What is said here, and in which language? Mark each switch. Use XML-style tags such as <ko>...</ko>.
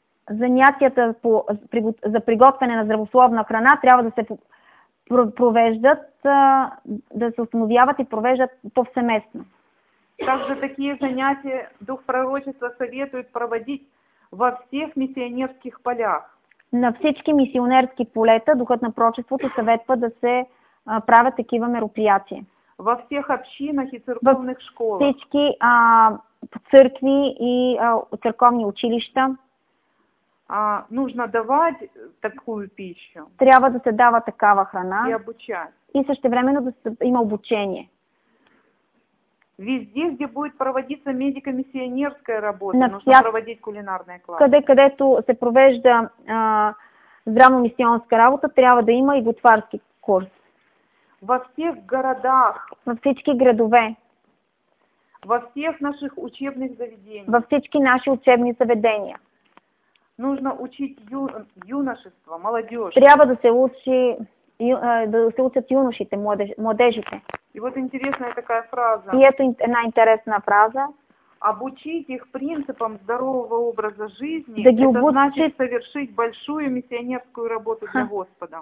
<bg>Занятията за приготвяне на здравословна храна трябва да се провеждат, да се установяват и провеждат повсеместно.</bg> <ru>Также такие занятия Дух Пророчества советует проводить во всех миссионерских полях.</ru> <bg>На всички мисионерски полета Духът на Пророчеството съветва да се правят такива мероприятия.</bg> <ru>Во всех общинах и церковных школах.</ru> <bg>Всички църкви и църковни училища.</bg> <ru>Нужно давать такую пищу.</ru> <bg>Трябва да се дава такава храна.</bg> <ru>И обучать.</ru> <bg>И същевременно да има обучение.</bg> <ru>Везде, где будет проводиться медико-миссионерская работа, нужно проводить кулинарные классы.</ru> <bg>Където се провежда здравно-миссионска работа, трябва да има и готварски курс.</bg> <ru>Во всех городах.</ru> <bg>Во всички градове.</bg> <ru>Во всех наших учебных заведениях.</ru> <bg>Во всички наши учебни заведения.</bg> <ru>Нужно учить юношество, молодежь.</ru> <bg>Трябва да се учи, да се учат юношите, младежите.</bg> <ru>И вот интересная такая фраза. И это една интересная фраза. Обучить их принципам здорового образа жизни, да это обучить, значит совершить большую миссионерскую работу для Господа.</ru>